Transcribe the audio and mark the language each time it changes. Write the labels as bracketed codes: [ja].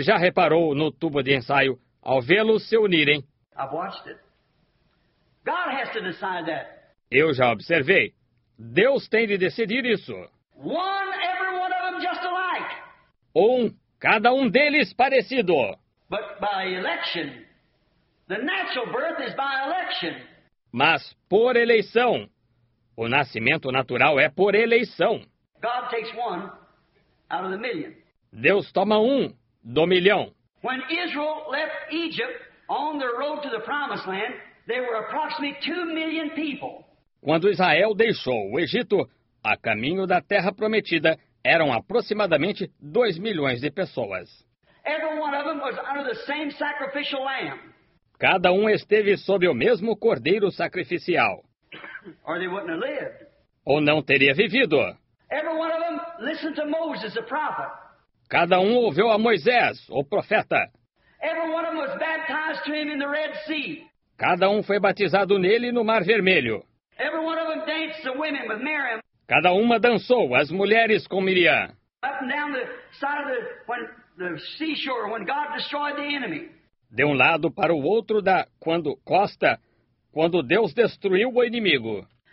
[pt] já reparou no tubo de ensaio, ao vê-los se unirem? [en] I've watched it. God has to decide that. [pt] Eu já observei. Deus tem de decidir isso. [en] One, every one of them just alike. [pt] Um, cada um deles parecido. [en] But by election. The natural birth is by election. [pt] Mas por eleição... O nascimento natural é por eleição. [en] God takes one out of the million. [pt] Deus toma um do milhão. [en] When Israel left Egypt on their road to the promised land, there were approximately 2 million people. [pt] Quando Israel deixou o Egito, a caminho da terra prometida, eram aproximadamente 2 milhões de pessoas. [en] Every one of them was under the same sacrificial lamb. [pt] Cada um esteve sob o mesmo cordeiro sacrificial. [en] Or they wouldn't have lived. [pt] Ou não teria vivido. [en] Every one of them listened to Moses, the prophet. [pt] Cada um ouviu a Moisés, o profeta. [en] Every one of them was baptized to him in the Red Sea. [pt] Cada um foi batizado nele no Mar Vermelho. [en] Every one of them danced the women with Miriam. [pt] Cada uma dançou as mulheres com Miriam. [en] Up and down the side of the seashore when God destroyed the enemy. [pt] De um lado para o outro da quando costa. Quando Deus destruiu o inimigo.